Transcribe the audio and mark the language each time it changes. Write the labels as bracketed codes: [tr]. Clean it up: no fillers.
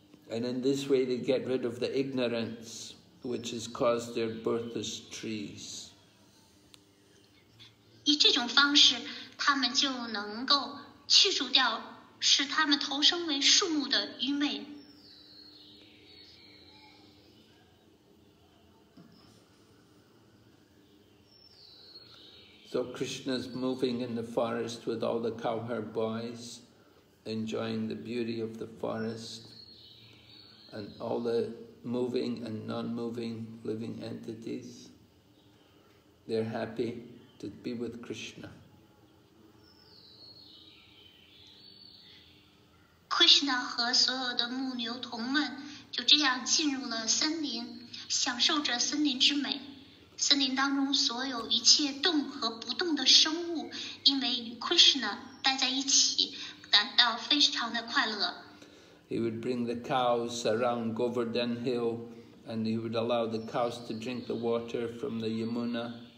[en] And in this way, they get rid of the ignorance which has caused their birth as trees. [zh] 以这种方式，他们就能够去除掉使他们投生为树木的愚昧。 [en] So Krishna's moving in the forest with all the cowherd boys, enjoying the beauty of the forest. And all the moving and non-moving living entities, they're happy to be with Krishna. [zh] Krishna 和所有的牧牛童们就这样进入了森林，享受着森林之美。森林当中所有一切动和不动的生物，因为与 Krishna 待在一起，感到非常的快乐。 [en] He would bring the cows around Govardhan Hill and he would allow the cows to drink the water from the Yamuna.